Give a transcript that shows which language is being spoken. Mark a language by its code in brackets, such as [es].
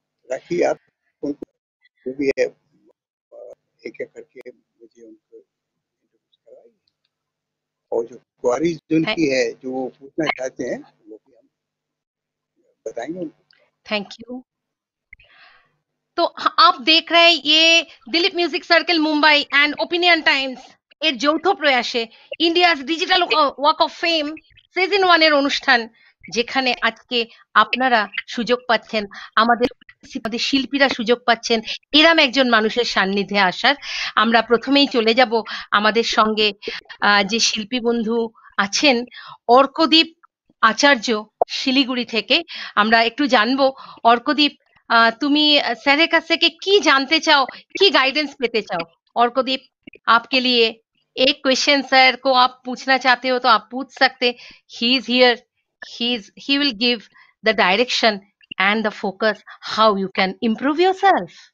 [hi] राखी आप उनको जो भी है एक एक करके मुझे उनको इंट्रोड्यूस करवाइए और जो क्वारीज उनकी है जो वो पूछना चाहते हैं वो भी हम बताएंगे उनको। Thank you. तो आप देख रहे हैं ये [bn] Dilip music circle Mumbai and opinion times এর যৌথ প্রয়াসে India's digital walk of fame season one এর অনুষ্ঠান, যেখানে আজকে আপনারা সুযোগ পাচ্ছেন, আমাদের শিল্পীরা সুযোগ পাচ্ছেন এরম একজন মানুষের সান্নিধ্যে আসার। আমরা প্রথমেই চলে যাব আমাদের সঙ্গে যে শিল্পী বন্ধু আছেন অর্কদীপ আচার্য শিলিগুড়ি থেকে, আমরা একটু জানবো অর্কদীপ তুমি স্যারের কাছ থেকে কি জানতে চাও, কি গাইডেন্স পেতে চাও। [en] Arkadeep [hi] आपके लिए एक क्वेश्चन सर को आप पूछना चाहते हो तो आप पूछ सकते, [en] He is here, he will give the direction and the focus how you can improve yourself.